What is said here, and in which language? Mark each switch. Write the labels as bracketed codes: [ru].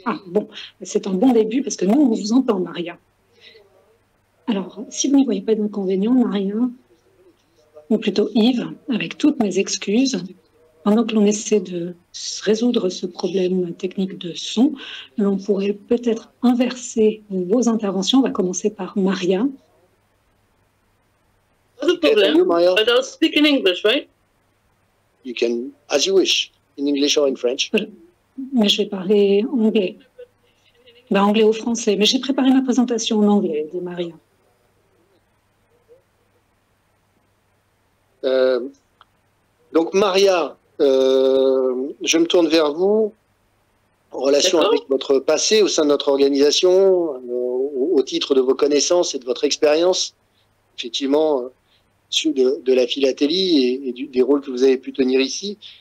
[fr] Ah, bon, c'est un bon début parce que nous, on vous entend, Maria. Alors, si vous n'y voyez pas d'inconvénient, Maria, ou plutôt Yves, avec toutes mes excuses... Pendant que l'on essaie de résoudre ce problème technique de son, l'on pourrait peut-être inverser vos interventions. On va commencer par Maria. Pas de problème, Maria. [en] But I'll speak in English, right? You can, as you wish, in English or in French. [fr] Mais je vais parler anglais. Ben, anglais ou français, mais j'ai préparé ma présentation en anglais, dit Maria. Donc, Maria... je me tourne vers vous en relation avec votre passé au sein de notre organisation, au titre de vos connaissances et de votre expérience, effectivement, de la philatélie et des rôles que vous avez pu tenir ici.